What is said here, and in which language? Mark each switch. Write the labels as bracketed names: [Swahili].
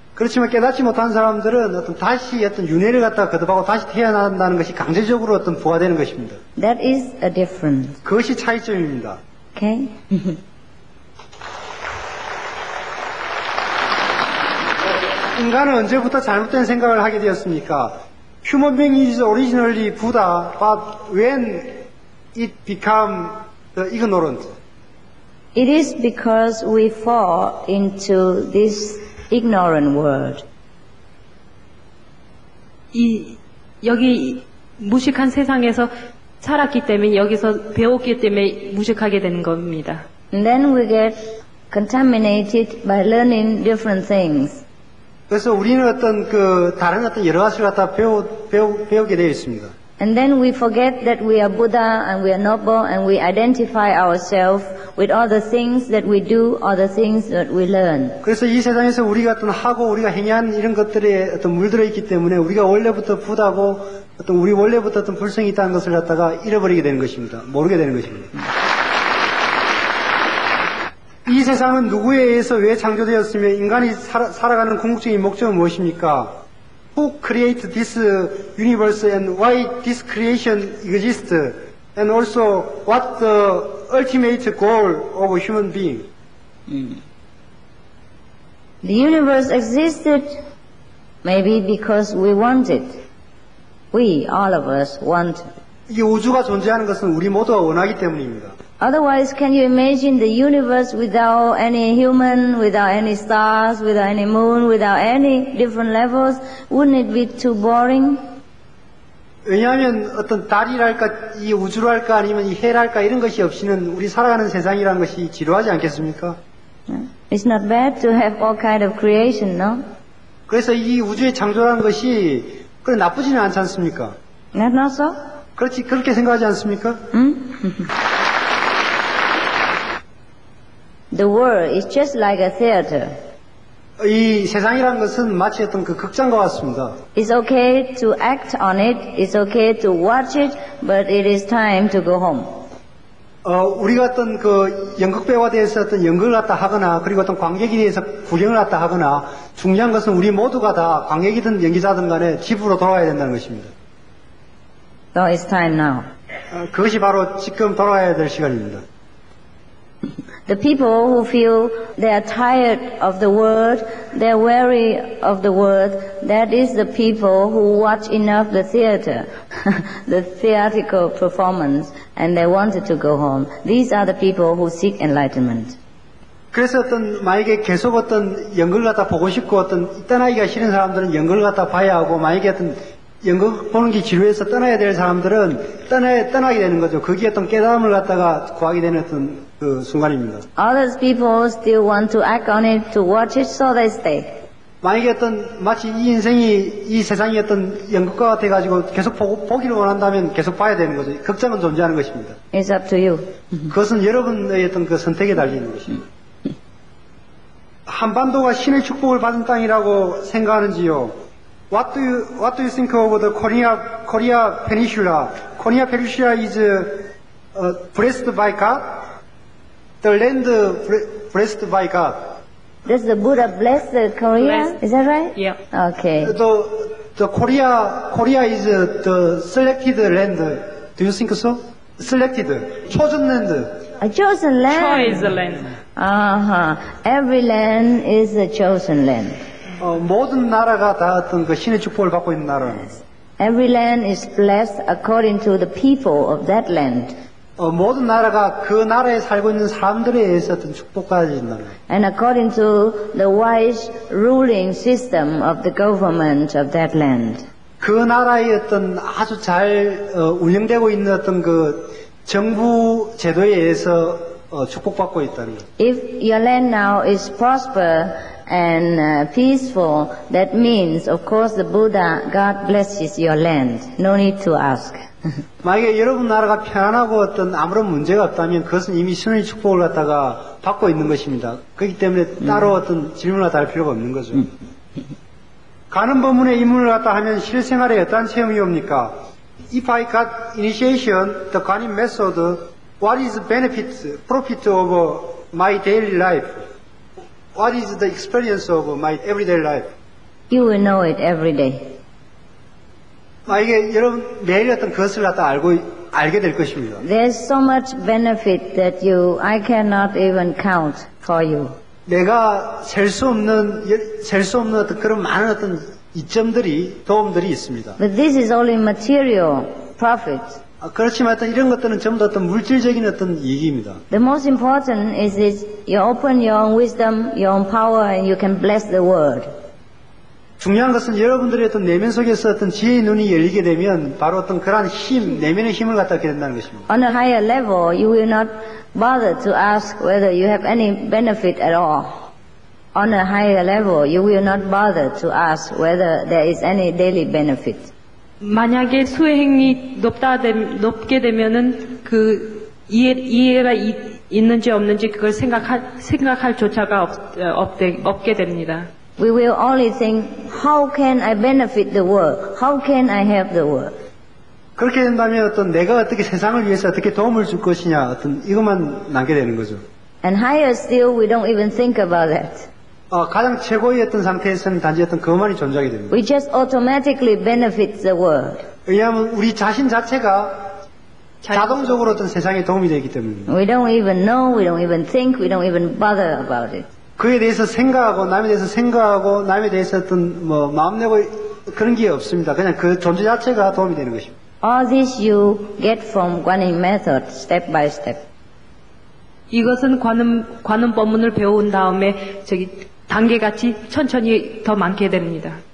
[Korean] 그렇지만 깨닫지 못한 사람들은 어떤 다시 어떤 윤회를 갖다가 거듭하고 다시 태어난다는 것이 강제적으로 어떤 부과되는 것입니다. [English] That is a difference. [Korean] 그것이 차이점입니다. [English] Okay. [Korean] (웃음) 인간은 언제부터 잘못된 생각을 하게 되었습니까? [English] Human being is originally Buddha, but when it become the ignorant? It is because we fall into this ignorant world. [Korean] 이 여기 무식한 세상에서 살았기 때문에 여기서 배웠기 때문에 무식하게 되는 겁니다. [English] And then we get contaminated by learning different things. [Korean] 그래서 우리는 어떤 그 다른 어떤 여러 가지를 갖다 배우게 되어 있습니다. [English] And then we forget that we are Buddha and we are noble and we identify ourselves with all the things that we do, all the things that we learn. [Korean] 그래서 이 세상에서 우리가 어떤 하고 우리가 행하는 이런 것들에 어떤 물들어 있기 때문에 우리가 원래부터 부다고 어떤 우리 원래부터 어떤 불성이 있다는 것을 갖다가 잃어버리게 되는 것입니다. 모르게 되는 것입니다. 이 세상은 누구에 의해서 왜 창조되었으며 인간이 살아가는 궁극적인 목적은 무엇입니까? [English] Who created this universe and why this creation exists? And also, what the ultimate goal of a human being? The universe existed maybe because we want it. We, all of us, want it. [Korean] 이 우주가 존재하는 것은 우리 모두가 원하기 때문입니다. [English] Otherwise, can you imagine the universe without any human, without any stars, without any moon, without any different levels? Wouldn't it be too boring? [Korean] 왜냐하면 어떤 달이랄까, 이 우주랄까, 아니면 이 해랄까 이런 것이 없이는 우리 살아가는 세상이라는 것이 지루하지 않겠습니까? [English] It's not bad to have all kind of creation, no? [Korean] 그래서 이 우주의 창조라는 것이 그래 나쁘지는 않지 않습니까? [English] Not so? [Korean] 그렇지 그렇게 생각하지 않습니까? [English] The world is just like a theater. [Korean] 이 세상이란 것은 마치 어떤 그 극장과 같습니다. [English] It's okay to act on it. It's okay to watch it, but it is time to go home. [Korean] 우리가 어떤 그 연극배우에 대해서 어떤 연극을 갖다 하거나 그리고 어떤 관객에 대해서 구경을 갖다 하거나 중요한 것은 우리 모두가 다 관객이든 연기자든 간에 집으로 돌아가야 된다는 것입니다. [English] So it's time now. [Korean] 그것이 바로 지금 돌아가야 될 시간입니다. [English] The people who feel they are tired of the world, they are weary of the world, that is the people who watch enough the theater, the theatrical performance, and they wanted to go home. These are the people who seek enlightenment. [Korean] 그래서 어떤 만약에 계속 어떤 연극을 갖다 보고 싶고 어떤 떠나기가 싫은 사람들은 연극을 갖다 봐야 하고 만약에 어떤 연극 보는 게 지루해서 떠나야 될 사람들은 떠나게 되는 거죠. 거기에 어떤 깨달음을 갖다가 구하게 되는 어떤 그 순간입니다. [English] Other people still want to act on it, to watch it, so they stay. [Korean] 만약에 어떤 마치 이 인생이 이 세상이 어떤 연극과 같아가지고 계속 보기를 원한다면 계속 봐야 되는 거죠. 극장은 존재하는 것입니다. [English] It's up to you. [Korean] 그것은 여러분의 어떤 그 선택에 달리는 것입니다. 한반도가 신의 축복을 받은 땅이라고 생각하는지요? [English] What do you think of the Korea Peninsula? Korea Peninsula is blessed by God. The land blessed by God. Does the Buddha bless the Korea? Bless. Is that right? Yeah. Okay. The Korea is the selected land. Do you think so? Selected. Chosen land. A chosen land. Choice land. Uh-huh. Every land is a chosen land. [Korean] 모든 나라가 다 어떤 그 신의 축복을 받고 있는 나라. [English] Every land is blessed according to the people of that land. [Korean] 모든 나라가 그 나라에 살고 있는 사람들에 의해서 어떤 축복받은 나라. [English] And according to the wise ruling system of the government of that land. [Korean] 그 나라의 어떤 아주 잘 운영되고 있는 어떤 그 정부 제도에 의해서 축복받고 있다는. [English] If your land now is prosper and peaceful, that means, of course, the Buddha, God blesses your land. No need to ask. [Korean] 만약에 여러분 나라가 편안하고 어떤 아무런 문제가 없다면 그것은 이미 신의 축복을 갖다가 받고 있는 것입니다. 그렇기 때문에 따로 어떤 질문을 할 필요가 없는 거죠. 가는 법문의 입문을 갖다 하면 실생활에 어떠한 체험이 옵니까? [English] If I got initiation, the Ganin method, what is the benefit, profit of my daily life? What is the experience of my everyday life? You will know it every day. [Korean] 만약에 여러분 매일 어떤 그것을 갖다 알게 될 것입니다. [English] There's so much benefit that you, I cannot even count for you. [Korean] 내가 셀 수 없는 어떤 그런 많은 어떤 이점들이 도움들이 있습니다. [English] But this is only material profit. [Korean] 그렇지만 어떤 이런 것들은 전부 어떤 물질적인 어떤 이익입니다. [English] The most important is this, you open your own wisdom, your own power, and you can bless the world. [Korean] 중요한 것은 여러분들의 어떤 내면 속에서 어떤 지혜의 눈이 열리게 되면 바로 어떤 그러한 힘, 내면의 힘을 갖다 얻게 된다는 것입니다. [English] On a higher level, you will not bother to ask whether you have any benefit at all. On a higher level, you will not bother to ask whether there is any daily benefit. [Korean] 만약에 수행이 높게 되면은 그 이해가 있는지 없는지 그걸 생각할 조차가 없게 됩니다. [English] We will only think, how can I benefit the world? How can I help the world? [Korean] 그렇게 된다면 어떤 내가 어떻게 세상을 위해서 어떻게 도움을 줄 것이냐 어떤 이것만 남게 되는 거죠. [English] And higher still, we don't even think about that. [Korean] 가장 최고의 어떤 상태에서는 단지 어떤 그것만이 존재하게 됩니다. [English] We just automatically benefit the world. [Korean] 왜냐하면 우리 자신 자체가 자동적으로 어떤 세상에 도움이 되기 때문입니다. [English] We don't even know, we don't even think, we don't even bother about it. [Korean] 그에 대해서 생각하고 남에 대해서 생각하고 남에 대해서 어떤 뭐 마음 내고 그런 게 없습니다. 그냥 그 존재 자체가 도움이 되는 것입니다. [English] All this you get from Guanyin method step by step. [Korean] 이것은 관음 법문을 배운 다음에 저기 단계 같이 천천히 더 많게 됩니다.